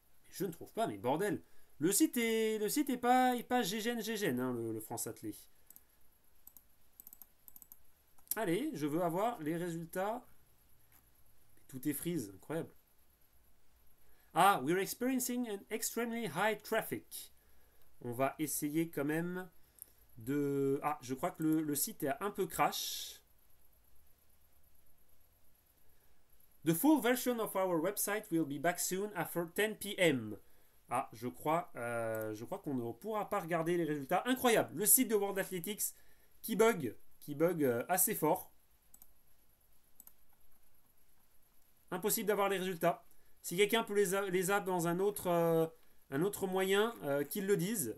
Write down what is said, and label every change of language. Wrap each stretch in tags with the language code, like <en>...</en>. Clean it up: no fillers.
<fr>Je ne trouve pas, mais bordel. Le site est pas GGN, hein, le France Athlé. Allez, je veux avoir les résultats. Tout est freeze, incroyable.</fr> <en>Ah, we're experiencing an extremely high traffic.</en> <fr>On va essayer quand même de... Ah, je crois que le site est un peu crash.</fr> <en>The full version of our website will be back soon after 10 p.m.</en> <fr>Ah, je crois qu'on ne pourra pas regarder les résultats. Incroyable, le site de World Athletics qui bug assez fort. Impossible d'avoir les résultats. Si quelqu'un peut les a dans un autre moyen, qu'il le dise.</fr>